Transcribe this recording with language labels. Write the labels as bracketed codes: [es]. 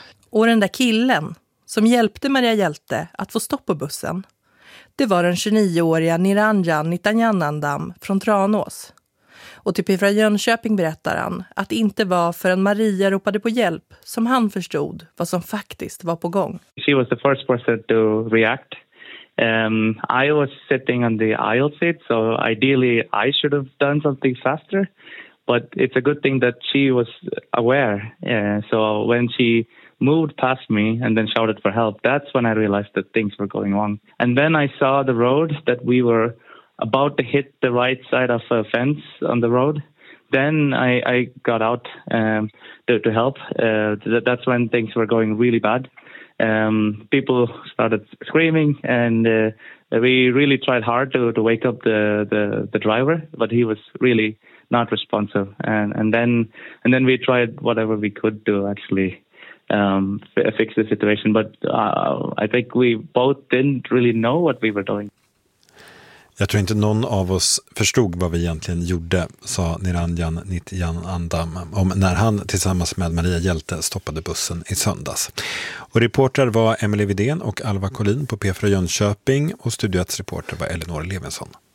[sv] Och den där killen som hjälpte Maria Hjälte att få stopp på bussen. Det var den 29-åriga Niranjan Nitanyanandam från Tranås. Och till Pifra Jönköping berättar han att det inte var förrän Maria ropade på hjälp som han förstod vad som faktiskt var på gång. [en] She was the first person to react. I was sitting on the aisle seat, so ideally I should have done something faster. But it's a good thing that she was aware. So when she moved past me and then shouted for help, that's when I realized that things were going wrong. And then I saw the road that we were about to hit the right side of a fence on the road. Then I got out to help. That's when things were going really bad. People started screaming and we really tried hard to wake up the driver, but he was really not responsive. And then we tried whatever we could to actually fix the situation. But I think we both didn't really know what we were doing. [sv] Jag tror inte någon av oss förstod vad vi egentligen gjorde, sa Niranjan Nitanyanandam om när han tillsammans med Maria Hjälte stoppade bussen i söndags. Och reporter var Emily Vidén och Alva Collin på P4 Jönköping och studiets reporter var Elinor Levensson.